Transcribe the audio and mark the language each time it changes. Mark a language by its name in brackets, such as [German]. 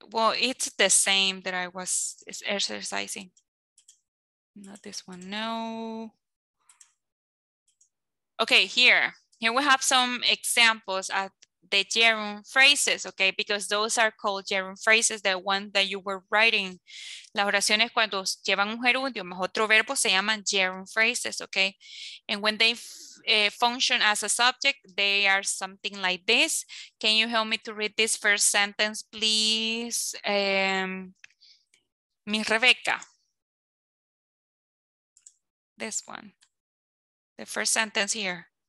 [English] Well, it's the same that I was exercising. Not this one, no. Okay, here we have some examples at the gerund phrases, okay? Because those are called gerund phrases, the one that you were writing. [Spanish] Las oraciones cuando llevan un gerundio más otro verbo se llaman gerund phrases, okay? [English] And when they function as a subject, they are something like this. Can you help me to read this first sentence, please? Miss Rebecca. This one. The first sentence here.